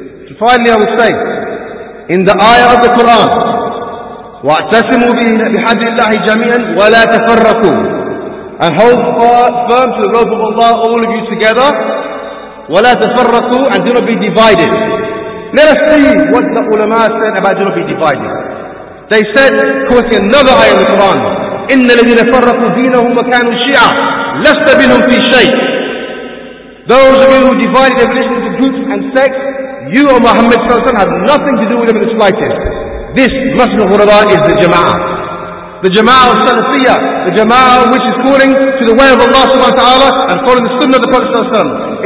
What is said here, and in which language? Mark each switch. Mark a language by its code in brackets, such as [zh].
[en] So finally I would say, in the ayah of the Quran, [ar] وَاَعْتَسِمُوا بِحَدِّ اللَّهِ جَمِيعًا وَلَا تَفَرَّقُوا. [en] And hold firm to the rope of Allah, all of you together. [ar] وَلَا تَفَرَّقُوا. [en] And do not be divided. Let us see what the ulama said about do not be divided. They said, quoting another ayah of the Quran, [ar] إِنَّ الَّذِينَ فَرَّقُوا دِينَهُمْ وَكَانُوا شِيعًا لَسْتَ مِنْهُمْ فِي شَيْءٍ. [en] Those of you who divided their religion into groups and sects, you, O Muhammad sallallahu alayhi wa sallam, have nothing to do with them in the slightest. This Masjid Ghurabah is the Jama'ah. The Jama'ah of Salafiyyah. The Jama'ah which is calling to the way of Allah subhanahu wa ta'ala and calling the Sunnah of the Prophet sallallahu alayhi wa sallam.